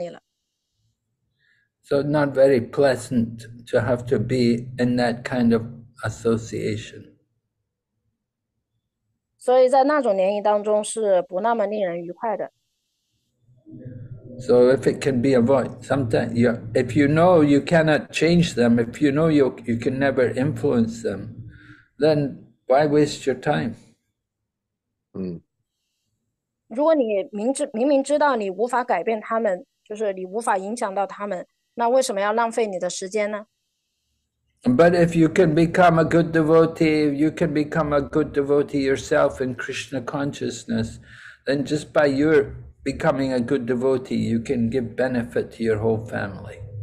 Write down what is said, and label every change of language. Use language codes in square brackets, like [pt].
[zh] 嗯，就是如果你们进入到他们的联谊当中的话，那所有的这些电视呀、鱼肉蛋呀、酒精呢，就都在那里了。 [en] So not very pleasant to have to be in that kind of association. [zh] 所以在那种联谊当中是不那么令人愉快的。 [en] So if it can be avoided, sometimes if you know you cannot change them, if you know you can never influence them, then why waste your time? [zh] 如果你明知道你无法改变他们，就是你无法影响到他们，那为什么要浪费你的时间呢？ [en] But if you can become a good devotee, if you can become a good devotee yourself in Krishna consciousness, then just by your becoming a good devotee, you can give benefit to your whole family.